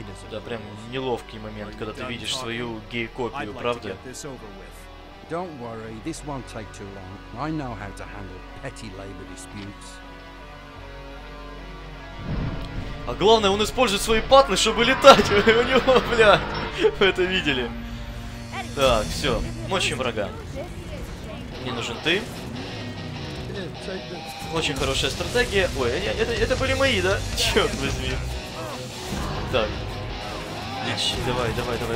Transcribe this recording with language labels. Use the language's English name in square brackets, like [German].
[Russian] Да, прям неловкий момент, когда ты видишь свою гей-копию, правда? [English] Don't worry, this won't take too long. I know how to handle petty labor disputes. [Russian] А главное, он использует свои патлы, чтобы летать. У него, бля, вы это видели? Так, всё, мочим врага. Не нужен ты. Очень хорошая стратегия. Ой, это были мои, да? Черт возьми. Так. Давай, давай, давай.